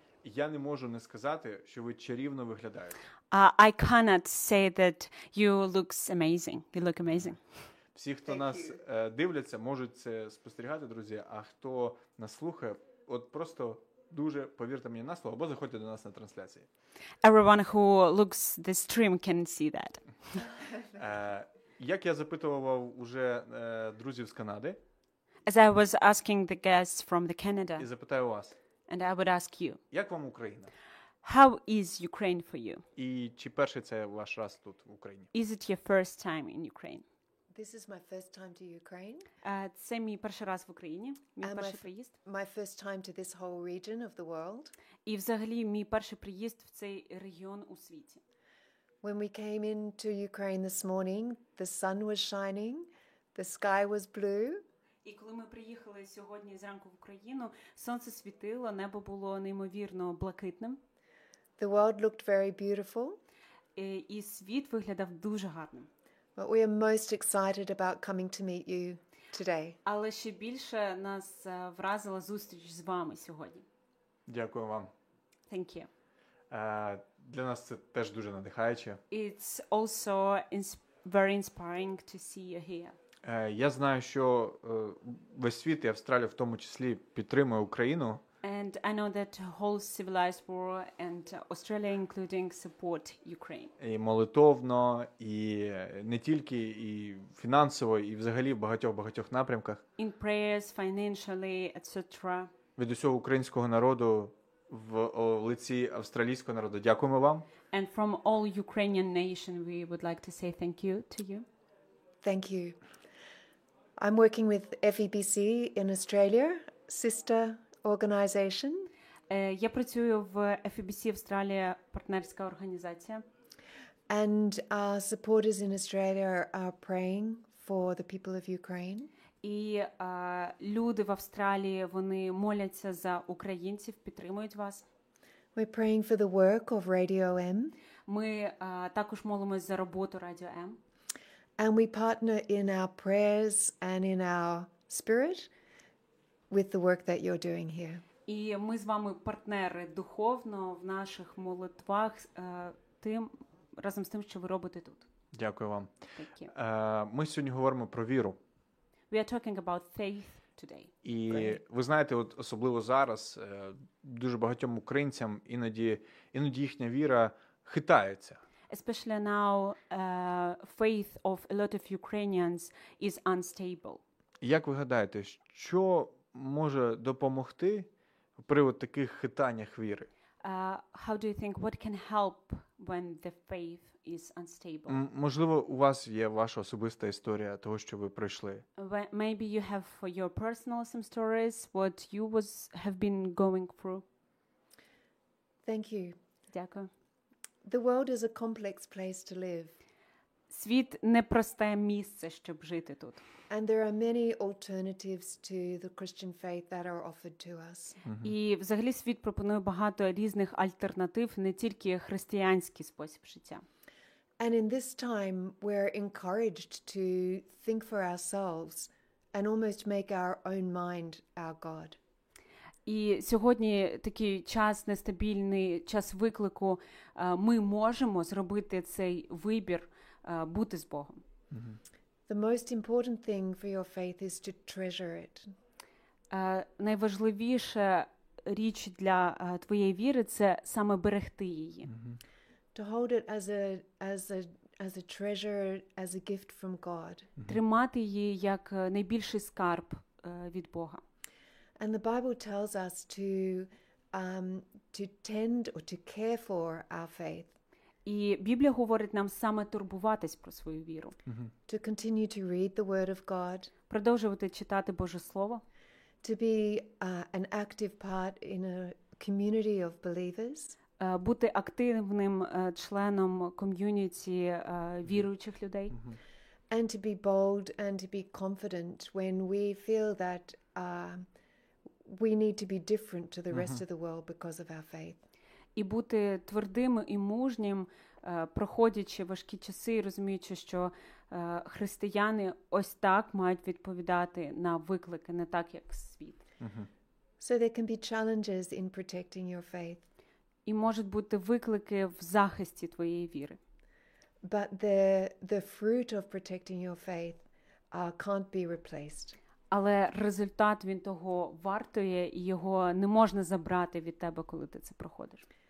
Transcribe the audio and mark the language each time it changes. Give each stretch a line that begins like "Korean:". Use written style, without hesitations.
Ukrainian: Я не можу не сказати, що ви чарівно виглядаєте.
English: I cannot say that you looks amazing. You look amazing.
Ukrainian: Всі, хто
English: Thank
Ukrainian: нас
English: you.
Ukrainian: Дивляться, можуть це спостерігати, друзі, а хто нас слухає, от просто дуже повірте мені на слово, або заходьте до нас на трансляції.
English: Everyone who looks the stream can see that.
Ukrainian: Як я запитував уже друзів з Канади,
English: As I was asking the guests from the Canada,
Ukrainian: і запитаю вас,
English: and I would ask you,
Ukrainian: як вам Україна?
English: How is Ukraine for you?
Ukrainian: І чи перший це ваш раз тут в Україні?
English: Is it your first time in Ukraine? This is my first time to Ukraine.
Ukrainian: Це мій перший раз в Україні, мій перший приїзд.
English: My first time to this whole region of the world.
Ukrainian: І взагалі мій перший приїзд в цей регіон у світі.
English: When we came into Ukraine this morning, the sun was shining, the sky was blue.
Ukrainian: І коли ми приїхали сьогодні зранку в Україну, сонце світило, небо було неймовірно блакитним.
English: The world looked very beautiful.
Ukrainian: І світ виглядав дуже гарним.
English: But we are most excited about coming to meet you today.
Ukrainian: Але ще більше нас вразила зустріч з вами сьогодні. Дякую вам.
English: Thank you.
Ukrainian: Для нас це теж дуже надихаюче.
English: It's also very inspiring to see you here.
Ukrainian: Я знаю, що весь світ і Австралія в тому числі підтримує Україну.
English: And I know that whole civilized world and Australia including support Ukraine.
Ukrainian: І молитовно, і не тільки, і фінансово, і взагалі в багатьох-багатьох напрямках.
English: In prayers, financially, etc.
Ukrainian: Від усього українського народу в лиці австралійського народу. Дякуємо вам.
English: And from all Ukrainian nation, we would like to say thank you to you. Thank you. I'm working with FEBC in Australia, sister organization.
Ukrainian: Я працюю в FEBC Австралія, партнерська організація.
English: And our supporters in Australia are praying for the people of Ukraine.
Ukrainian: І люди в Австралії, вони моляться за українців, підтримують вас.
English: We're praying for the work of Radio M.
Ukrainian: Ми також молимося за роботу Радіо М.
English: And we partner in our prayers and in our spirit with the work that you're doing here.
Ukrainian: І ми з вами партнери духовно в наших молитвах тим разом з тим, що ви робите тут. Дякую вам.
English: Thank you.
Ukrainian: Ми сьогодні говоримо про віру.
English: We are talking about faith today.
Ukrainian: І ви знаєте, от особливо зараз дуже багатьом українцям іноді їхня віра хитається.
English: Especially now, faith of a lot of Ukrainians is unstable.
Ukrainian: Як ви гадаєте, що може допомогти привод таких хитаннях віри?
English: How do you think what can help when the faith is unstable?
Ukrainian: Можливо, у вас є ваша особиста історія того, що ви пройшли.
English: Maybe you have for your personal some stories what you was have been going through. Thank you.
Ukrainian: Дякую.
English: The world is a complex place to live.
Ukrainian: Світ непросте місце, щоб жити тут.
English: And there are many alternatives to the Christian faith that are offered to us.
Ukrainian: І взагалі світ пропонує багато різних альтернатив, не тільки християнський спосіб життя.
English: And in this time we're encouraged to think for ourselves and almost make our own mind our God.
Ukrainian: І сьогодні такий час нестабільний, час виклику, ми можемо зробити цей вибір бути з Богом.
English: The most important thing for your faith is to treasure it.
Ukrainian: Найважливіша річ для твоєї віри це саме берегти її.
English: To hold it as a treasure, as a gift from God.
Ukrainian: Тримати її як найбільший скарб від Бога.
English: And the Bible tells us to tend or to care for our faith.
Ukrainian: І Біблія говорить нам саме турбуватись про свою віру.
English: To continue to read the word of God.
Ukrainian: Продовжувати читати Боже слово.
English: To be an active part in a community of believers.
Ukrainian: Бути активним членом ком'юніті віруючих людей.
English: And to be bold and to be confident when we feel that we need to be different to the rest of the world because of our faith.
Ukrainian: І бути твердим і мужнім, проходячи важкі часи і розуміючи, що християни ось так мають відповідати на виклики, не так, як світ.
English: So there can be challenges in protecting your faith.
Ukrainian: І можуть бути виклики в захисті твоєї віри.
English: But the fruit of protecting your faith can't be replaced.
Ukrainian: Але результат він того вартує, і його не можна забрати від тебе, коли ти це проходиш.